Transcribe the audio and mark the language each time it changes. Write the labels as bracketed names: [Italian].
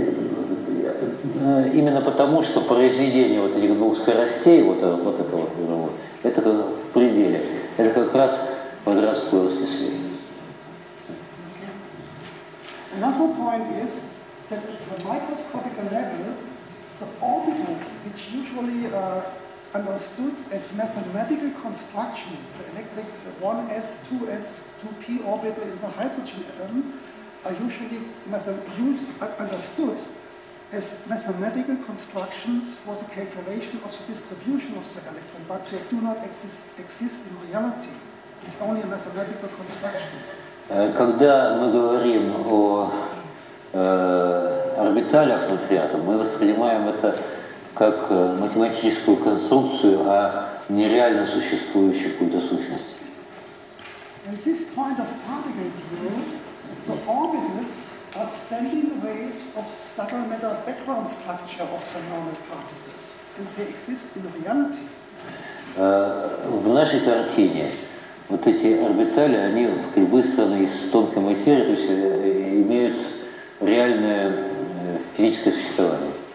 [Russian] Именно потому, что произведение вот этих двух скоростей, вот это вот, это в пределе. Это как раз квадрат скорости света. [English] Another point is that at the microscopic level, the orbitals, which usually are understood as mathematical constructions, the electric, the 1s, 2s, 2p orbital in the hydrogen atom, are usually understood as mathematical constructions for the calculation of the distribution of the electron, but they do not exist in reality. It's only a mathematical construction. [Russian] Когда мы говорим о орбиталях внутри атома, мы воспринимаем это как математическую конструкцию, а не реально существующую какую-то сущность. [English] At this point of particle view, the orbitals are standing waves of subtle matter background structure of the normal particles, and they exist in reality. [Russian] В нашей картине вот эти орбитали, они выстроены из тонкой материи, то есть имеют реальное физическое существование.